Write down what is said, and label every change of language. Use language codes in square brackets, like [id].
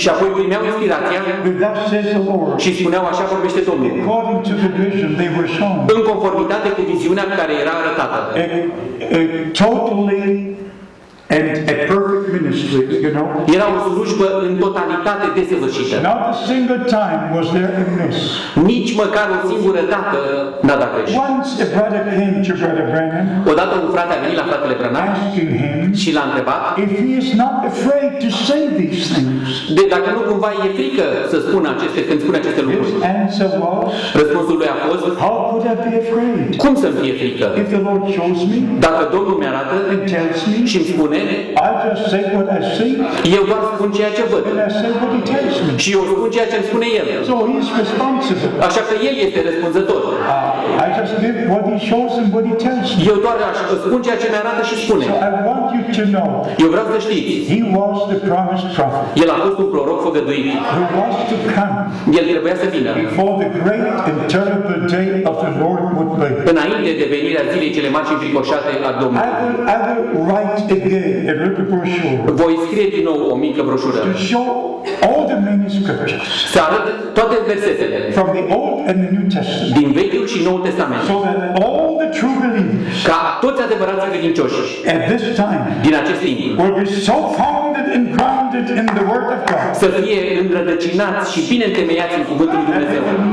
[ro] Și apoi primeau inspirația. [en] With that says the Lord. [ro] Și spuneau așa vorbește Domnul. [en] According to the vision they were shown. [ro] În conformitate cu viziunea care era arătată. [en] Totally and a perfect ministry, you know. [ro] Era o slujbă în totalitate desăvârșită. [en] Not a single time was there a miss. [ro] Nici măcar o singură dată n-a dat greșit. [en] Once a brother came to Brother Branham. [ro] Odată un frate a venit la fratele Branham și l-a întrebat. [en] If he is not afraid to say these things. [ro] De dacă nu cumva e frică să spună aceste când spune aceste lucruri. [en] His answer was. [ro] Răspunsul lui a fost. [en] How could I be afraid? [ro] Cum să fie frică? [en] If the Lord shows me. [ro] Dacă Domnul mi-arată [en] and tells me. [ro] Și îmi spune. [en] I just say what I see. [ro] Eu doar spun ceea ce văd. Și eu spun ceea ce îmi spune el. [en] So he's responsible. [ro] Așa că el este răspunzător. [en] I just give what he shows and what he tells me. [ro] Eu doar spun ceea ce mi arată și spune. [en] So I want you to know. [ro] Eu vreau să știți. [en] He was the promised prophet. [ro] El a fost un proroc făgăduit. [en] He was to come. [ro] El trebuia să vină. [en] Before the great and terrible day of the Lord would be. [ro] Înainte de venirea zilei cele mari și înfricoșate a Domnului. [en] I will write a little brochure. [ro] Voi scrie din nou o mică broșură. [en] To show all the manuscripts. [ro] Să arăt toate versetele. [en] From the Old and the New Testament. [ro] Din Vechiul și Noul Testament. [en] So that all the true believers. [ro] Ca toți adevărații credincioși. [en] At this time. [ro] Din acest timp. [en] Will be so founded and grounded in the Word of God. [ro] Să fie înrădăcinați și bine întemeiați în Cuvântul lui Dumnezeu.